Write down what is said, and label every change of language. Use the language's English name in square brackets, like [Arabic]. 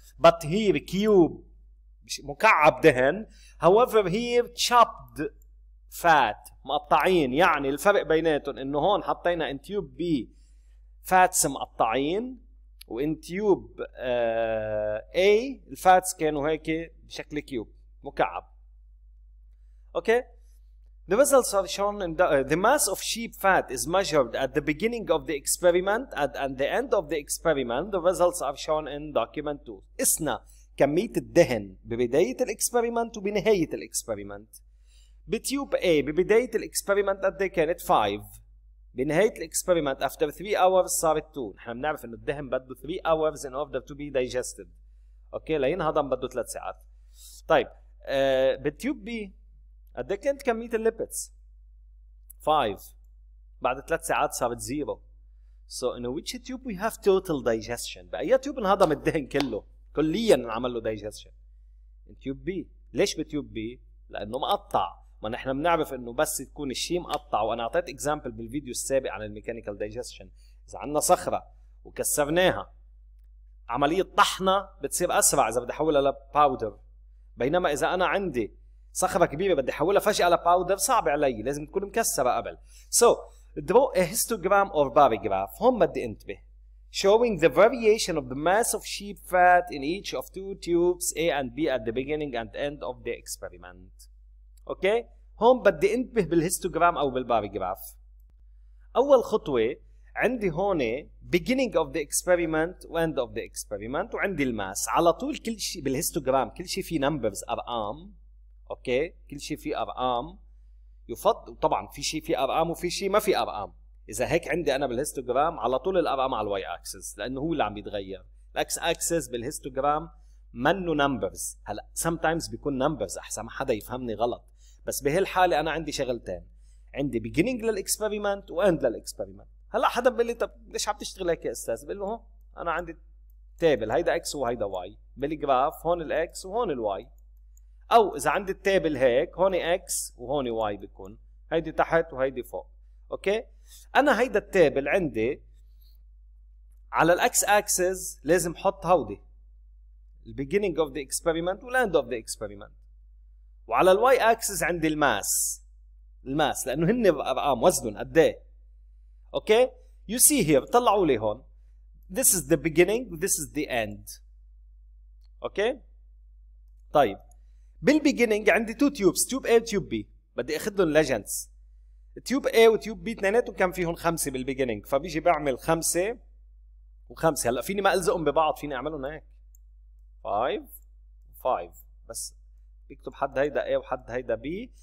[English] But here cube [Arabic] مكعب دهن، [English] however here chopped fat [Arabic] مقطعين. يعني الفرق بيناتهم انه هون حطينا [English] in tube B fats [Arabic] مقطعين و [English] in tube A [Arabic] الفاتس كانوا هيك بشكل كيوب مكعب. [English] Okay, the results are shown in the mass of sheep fat is measured at the beginning of the experiment and at the end of the experiment. The results are shown in document 2. [Arabic] قسنا كمية الدهن ببداية الاكسبيرمنت وبنهاية الاكسبيرمنت. بتيوب A ببداية الإكسبريمنت قدي كانت 5، بنهاية الإكسبريمنت [English] after 3 hours [Arabic] صارت 2. نحن بنعرف إنه الدهن بده [English] 3 hours in order to be digested. [Arabic] أوكي، لينهضم بده 3 ساعات. طيب بتيوب B قدي كانت كمية الليبتس 5، بعد 3 ساعات صارت 0. [English] So in which tube we have total digestion؟ [Arabic] بأي تيوب انهضم الدهن كله كليا انعمل له [English] digestion؟ in tube B. [Arabic] ليش بتيوب B؟ لأنه مقطع. ما نحن بنعرف انه بس تكون الشيء مقطع، وانا اعطيت اكزامبل بالفيديو السابق عن الميكانيكال دايجستشن، اذا عندنا صخره وكسرناها عمليه طحنها بتصير اسرع اذا بدي احولها لباودر، بينما اذا انا عندي صخره كبيره بدي احولها فجاه لباودر صعب علي، لازم تكون مكسره قبل. [English] So draw a histogram or bar graph. [Arabic] هون بدي انتبه. [English] Showing the variation of the mass of sheep fat in each of two tubes A and B at the beginning and end of the experiment. [Arabic] اوكي، هون بدي انتبه بالهيستوغرام او بالباريغراف. اول خطوه عندي هون [English] beginning of the experiment [Arabic] و [English] end of the experiment [Arabic] وعندي الماس. على طول كل شيء بالهيستوغرام كل شيء فيه نمبرز ارقام. اوكي، كل شيء فيه ارقام يفضل، وطبعا في شيء فيه ارقام وفي شيء ما فيه ارقام. اذا هيك عندي انا بالهيستوغرام على طول الارقام على الواي اكسس لانه هو اللي عم يتغير. الاكس اكسس بالهيستوغرام منو نمبرز. هلا sometimes بيكون نمبرز احسن ما حدا يفهمني غلط، بس بهالحاله انا عندي شغلتين، عندي beginning للاكسبيرمنت واند للاكسبيرمنت. هلا حدا بيقول لي طب ليش عم تشتغل هيك يا استاذ؟ بقول له انا عندي تيبل، هيدا اكس وهيدا واي، بالجراف هون الاكس وهون الواي، او اذا عندي التيبل هيك هون اكس وهون واي بيكون، هيدي تحت وهيدي فوق. اوكي، انا هيدا التيبل عندي على الاكس اكسس لازم احط هودي [English] the beginning of the experiment [Arabic] and end of the experiment. وعلى ال y axis عندي الماس. الماس لانه هن ارقام وزنهم قد ايه. [English] Okay? You see here [Arabic] طلعوا لي هون. [English] This is the beginning, this is the end. Okay. [Arabic] طيب بالبيجينينج عندي تو تيوبس، تيوب A وتيوب B، بدي اخذ لهم ليجندز. تيوب A وتيوب B اثنيناتهم كان فيهم خمسة بالبيجينينج، فبيجي بعمل خمسة وخمسة. هلا فيني ما الزقهم ببعض، فيني اعملهم هيك 5 5، بس بكتب حد هيدا A وحد هيدا B.